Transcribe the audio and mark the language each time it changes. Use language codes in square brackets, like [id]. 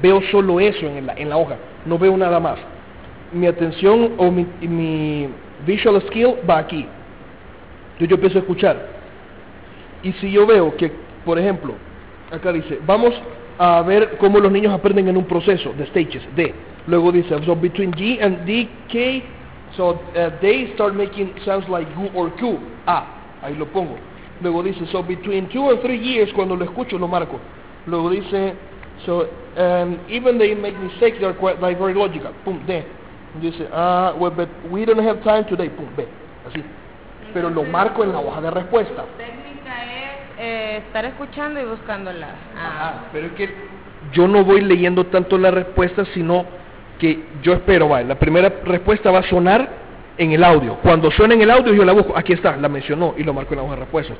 [es] Veo solo eso en la hoja, no veo nada más. Mi atención o mi visual skill va aquí. Yo empiezo a escuchar. Y si yo veo que, por ejemplo, acá dice, vamos a ver cómo los niños aprenden en un proceso de stages, D. Luego dice, [en] so between G and D, K, so they start making sounds like U or Q. [es] Ah, ahí lo pongo. Luego dice, [en] so between 2 and 3 years, [es] cuando lo escucho, lo marco. Luego dice, [en] so even they make mistakes, they're quite like very logical. [es] Pum, [en] D. [es] Dice, [en] well, but we don't have time today. [es] Pum, B. Así. Pero lo marco en la hoja de respuesta. Tu técnica es estar escuchando y buscándola. Ajá, pero es que yo no voy leyendo tanto la respuesta, sino que yo espero, vale, la primera respuesta va a sonar en el audio. Cuando suene en el audio, yo la busco. Aquí está, la mencionó y lo marco en la hoja de respuesta.